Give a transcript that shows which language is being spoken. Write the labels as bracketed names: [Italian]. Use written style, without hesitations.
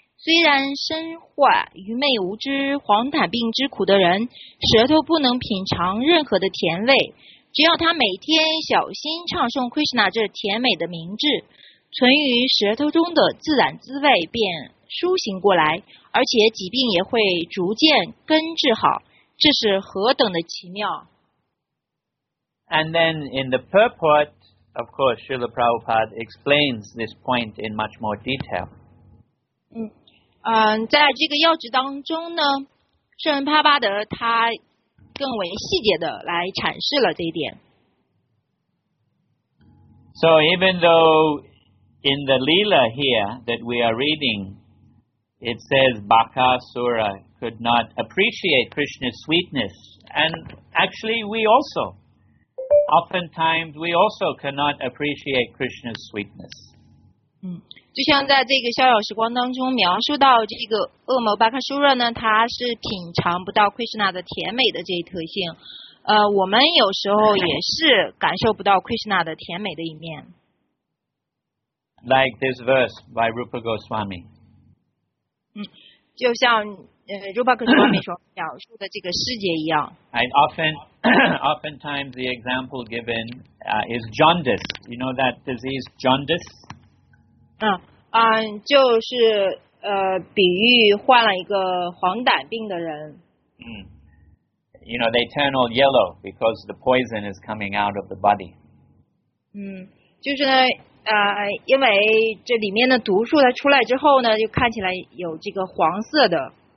[Chinese] 虽然身患愚昧无知、黄疸病之苦的人，舌头不能品尝任何的甜味，只要他每天小心唱诵 Krishna 这甜美的名字，存于舌头中的自然滋味便苏醒过来，而且疾病也会逐渐根治好，这是何等的奇妙。 [English] And then in the purport, of course, Srila Prabhupada explains this point in much more detail. [Chinese] 在这个要旨当中呢，圣帕巴德他更为细节的来阐释了这一点。 [English] So even though in the Leela here that we are readingIt says Bakasura could not appreciate Krishna's sweetness. And actually, we also. Oftentimes, we also cannot appreciate Krishna's sweetness. [Chinese] 就像在这个逍遥时光当中描述到这个恶魔 Bakasura 呢，他是品尝不到 Krishna 的甜美的这一特性。我们有时候也是感受不到 Krishna 的甜美的一面。 [English] Like this verse by Rupa Goswami. [Chinese] 就像Rupa Goswami所描述的这个世界一样。 [English] And oftentimes the example given is jaundice. You know that disease, jaundice? [Chinese] 就是比喻患了一个黄疸病的人。 [English] You know, they turn all yellow because the poison is coming out of the body. [Chinese] 就是呢因为这里面的毒素它出来之后呢，就看起来有这个黄色的。